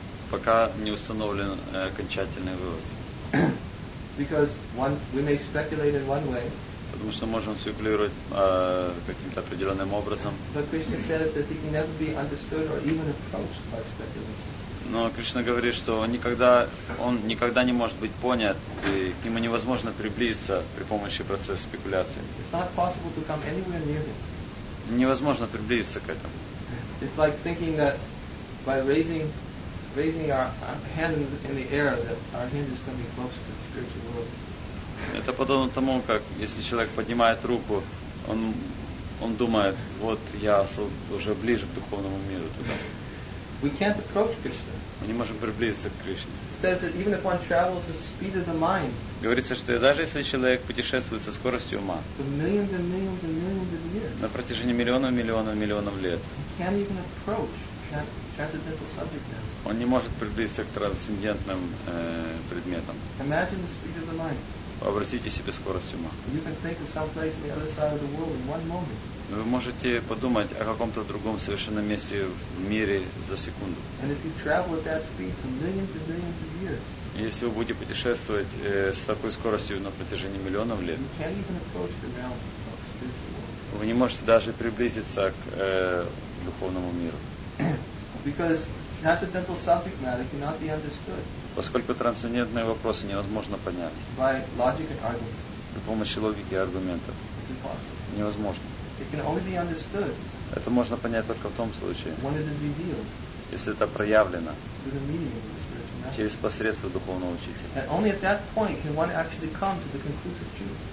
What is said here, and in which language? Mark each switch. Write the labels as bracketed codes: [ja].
[ru] Пока не установлен окончательный вывод. [en] Because one, we may speculate in one way. [ru] Потому что можем спекулировать каким-то определенным образом. [en] But Krishna says that he can never be understood or even approached by speculation. [ru] Но Кришна говорит, что он никогда не может быть понят, и к нему невозможно приблизиться при помощи процесса спекуляции. [en] It's not possible to come anywhere near him. [ru] Невозможно приблизиться к этому. [en] It's like thinking that by raising our hands in the air that our hand is going to be closer to the spiritual world. [ru] Это подобно тому, как если человек поднимает руку, он думает, вот я уже ближе к духовному миру туда. [en] We can't approach Krishna. [ru] Мы не можем приблизиться к Кришне. [en] It says that even if one travels the speed of the mind. [ru] Говорится, что даже если человек путешествует со скоростью ума. [en] For millions and millions and millions of years. [ru] На протяжении миллионов, миллионов, миллионов лет. [en] He can't even approach transcendental subject matter. [ru] Он не может приблизиться к трансцендентным предметам. [en] Imagine the speed of the mind. [ru] Обратите себе скорость ума. [en] You can think of some place on the other side of the world in one moment. [ru] Вы можете подумать о каком-то другом совершенно месте в мире за секунду. [en] And if you travel at that speed for millions and millions of years. [ru] Если вы будете путешествовать с такой скоростью на протяжении миллионов лет. [en] You can't even approach the realm of spiritual world. [ru] Вы не можете даже приблизиться к духовному миру. [en] Because transcendental subject matter cannot be understood. [ru] Поскольку трансцендентные вопросы невозможно понять при помощи логики и аргументов. Невозможно. [en] It can only be understood. [ru] Это можно понять только в том случае, [en] when it is revealed, [ru] если это проявлено [en] through the meaning of the spiritual master. [ru] Через посредство духовного учителя. [en] And only at that point can one actually come to the conclusive truth.